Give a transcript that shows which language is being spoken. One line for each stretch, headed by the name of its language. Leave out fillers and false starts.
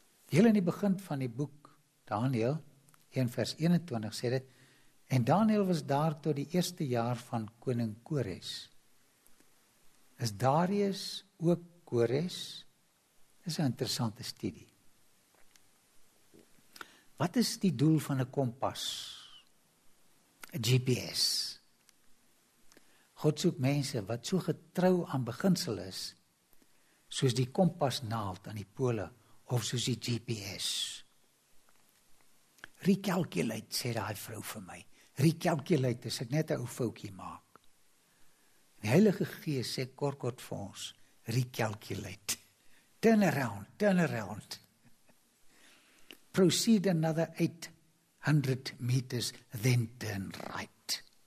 Afrikaans: Heel in die begin van die boek, Daniel, 1 vers 21, sê dit, en Daniel was daar tot die eerste jaar van koning Kores. Is Darius ook Kores? Is een interessante studie. Wat is die doel van een kompas? Een GPS. God soek mense wat so getrou aan beginsel is, soos die kompas naald aan die pole, of soos die GPS. Recalculate, sê die vrou vir my. Recalculate, as ek net een oufoutjie maak. Die Heilige Gees sê kort vir ons, recalculate.
English: Turn around. Proceed another 800 meters, then turn right.